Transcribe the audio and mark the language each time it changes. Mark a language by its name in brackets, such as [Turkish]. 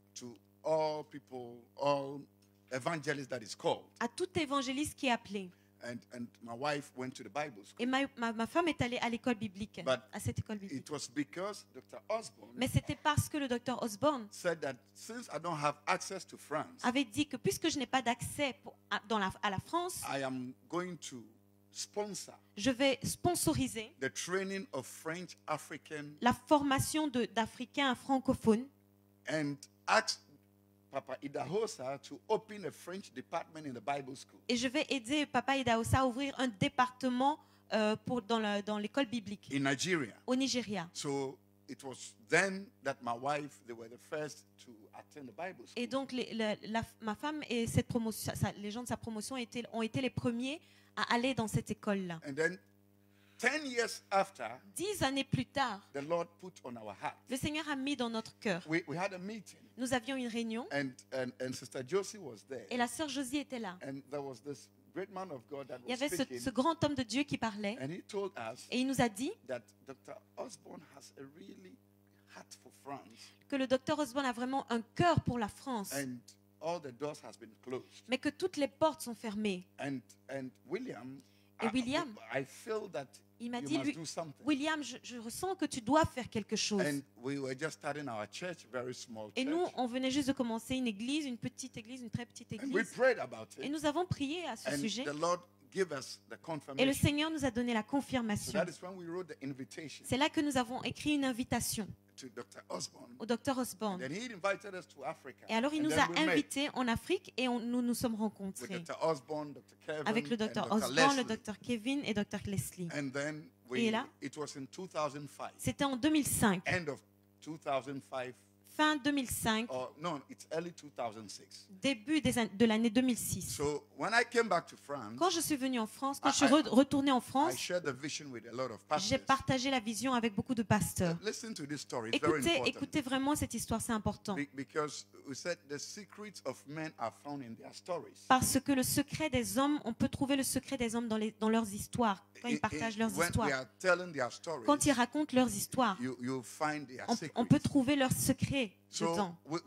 [English] To all people, all evangelists that is called. [French] À tout évangéliste qui est appelé. [English] And my wife went to the Bible school. [French] Et ma femme est allée à l'école biblique. [English] But [French] à cette école biblique. [English] It was because Dr. Osborne. [French] Mais c'était parce que le docteur Osborne. [English] Said that since I don't have access to France. [French] Avait dit que puisque je n'ai pas d'accès à la France. [English] I am going to sponsor. [French] Je vais sponsoriser. [English] The training of French African. [French] La formation d'Africains francophones. [English] And ask Papa Idahosa to open a French department in the Bible school. [French] Et je vais aider Papa Idahosa à ouvrir un département dans l'école biblique. [English] In Nigeria. [French] Au Nigeria. [English] So it was then that my wife they were the first to attend the Bible school. [French] Et donc ma femme et les gens de sa promotion ont été les premiers à aller dans cette école là. [English] And then 10 years after. [French] 10 années plus tard. [English] The Lord put on our heart. [French] Le Seigneur a mis dans notre cœur. [English] We had a meeting. [French] Nous avions une réunion. [English] And Sister Josie was there. [French] Et la sœur Josie était là. [English] And there was this great man of God that [French] il y avait ce grand homme de Dieu qui parlait. [English] And he told us [French] et il nous a dit [English] that Dr. Osborne has a really heart for France. [French] Que le Dr. Osborne a vraiment un cœur pour la France. [English] And all the doors has been closed. [French] Mais que toutes les portes sont fermées. [English] Et William, I feel that [French] il m'a [English] you [French] dit, [English] must do something. [French] William, je ressens que tu dois faire quelque chose. [English] And we were just starting our church, very small [French] et nous, on venait juste de commencer une église, une petite église, une très petite église. [English] And we prayed about it. [French] Et nous avons prié à ce [English] and [French] sujet. [English] The Lord gave us the confirmation. [French] Et le Seigneur nous a donné la confirmation. [English] So that is when we wrote the invitation. [French] C'est là que nous avons écrit une invitation [English] to Dr. Osborne. [French] Au Dr. Osborne. [English] And then he invited us to Africa. [French] Et alors, il [English] and [French] nous a invités en Afrique et nous nous sommes rencontrés [English] with Dr. Osborne, Dr. Kevin, [French] avec le Dr. [English] And [French] Osborne, Leslie. Le Dr. Kevin et Dr. Leslie. [English] And then [French] et là, [English] it was in 2005. [French] C'était en 2005. [English] End of 2005. [French] Fin 2005. [English] Oh, no, it's early 2006. [French] Début des de l'année 2006. [English] So when I came back to France, [French] quand je suis venu en France, quand je suis retourné en France, j'ai partagé la vision avec beaucoup de pasteurs. [English] Listen to this story. [French] Écoutez vraiment cette histoire, c'est important. [English] Because we said the secrets of men are found in their stories. [French] Parce que le secret des hommes, on peut trouver le secret des hommes dans leurs histoires. Quand ils partagent leurs histoires, quand ils racontent leurs histoires, on peut trouver leurs secrets dedans.